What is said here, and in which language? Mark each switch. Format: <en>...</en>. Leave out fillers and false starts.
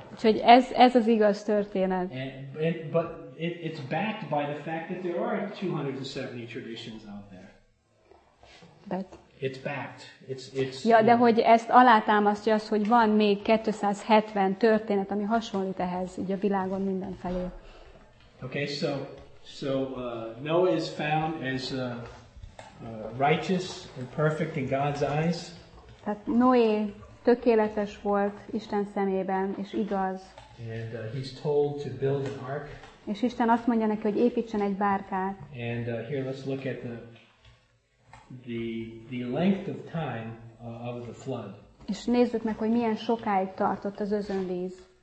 <hu>Úgyhogy ez az igaz történet.</hu> <en>It's backed by the fact that there are 270 traditions out there. But it's backed. It's</en> <hu>ja, de hogy ezt alátámasztja az, hogy van még 270 történet, ami hasonlít ehhez, így a világon mindenfelé.</hu> <en>Okay, so Noah is found as righteous and perfect in God's eyes.</en> <hu>Tehát Noé tökéletes volt Isten szemében, és igaz.</hu> <en>And he's told to build an ark.</en> <hu>És Isten azt mondja neki, hogy építsen egy bárkát.</hu> <en>And here let's look at the length of time of the flood.</en> <hu>És nézzük meg, hogy milyen sokáig tartott az özönvíz.</hu>